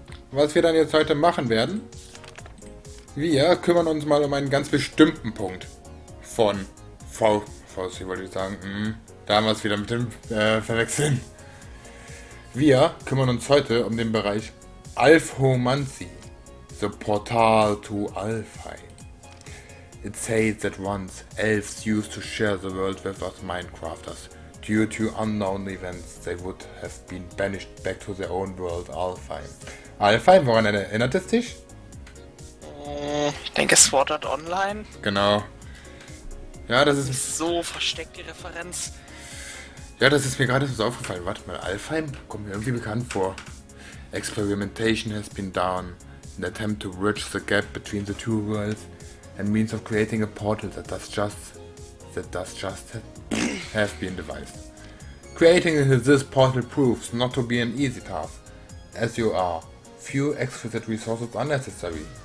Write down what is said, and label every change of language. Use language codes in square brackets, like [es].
[de] Was wir dann jetzt heute machen werden, wir kümmern uns mal um einen ganz bestimmten Punkt. Von V, wollte ich sagen. Damals wieder mit dem Verwechseln. Wir kümmern uns heute um den Bereich Alfomancy. [en] The Portal to Alfheim. It says that once elves used to share the world with us Minecrafters. Due to unknown events, they would have been banished back to their own world, Alfheim. [de] Alfheim, woran erinnert es dich? Ich denke, Sword Art Online. Genau. Ja, das ist. So versteckt die Referenz. Ja, das ist mir gerade so aufgefallen. Warte mal, Alfheim kommt mir irgendwie bekannt vor. [en] Experimentation has been done. An attempt to bridge the gap between the two worlds. And means of creating a portal that have been devised. Creating this portal proves not to be an easy task. As you are, few exquisite resources are necessary.